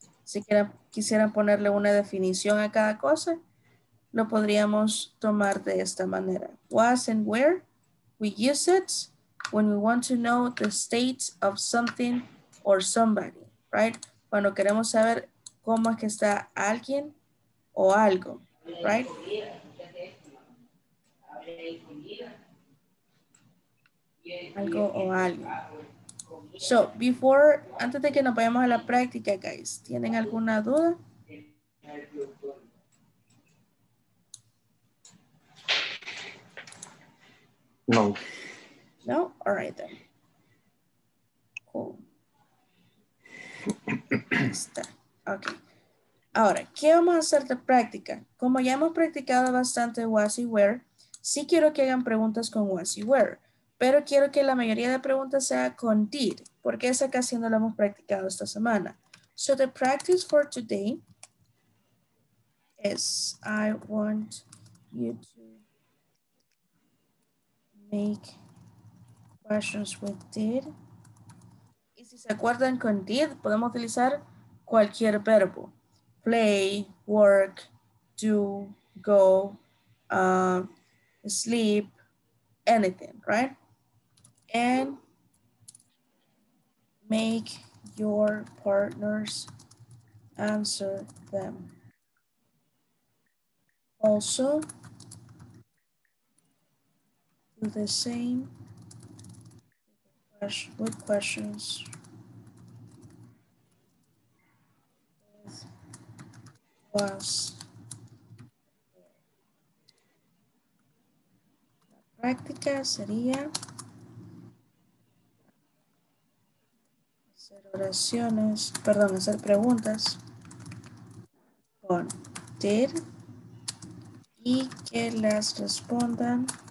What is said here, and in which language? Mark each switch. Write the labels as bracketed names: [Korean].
[Spanish] Si quisieran ponerle una definición a cada cosa, lo podríamos tomar de esta manera. [English] Was and where, we use it when we want to know the state of something or somebody, right? [Spanish] Cuando queremos saber cómo es que está alguien o algo, right? Algo o alguien. So, antes de que nos vayamos a la práctica, guys, ¿tienen alguna duda? No. [English] No? All right then. Cool. [Spanish] Ahí está. Okay. Ahora, ¿qué vamos a hacer de práctica? Como ya hemos practicado bastante was y where, sí quiero que hagan preguntas con was y where, pero quiero que la mayoría de preguntas sea con did, porque esa casi no la hemos practicado esta semana. [English] So the practice for today is I want you to make questions with did. [Spanish] Y si se acuerdan, con did podemos utilizar cualquier verbo. [English] Play, work, do, go, sleep, anything, right? And make your partners answer them. Also, do the same with questions with us. [Spanish] La práctica sería hacer oraciones, perdón, hacer preguntas con did y que las respondan.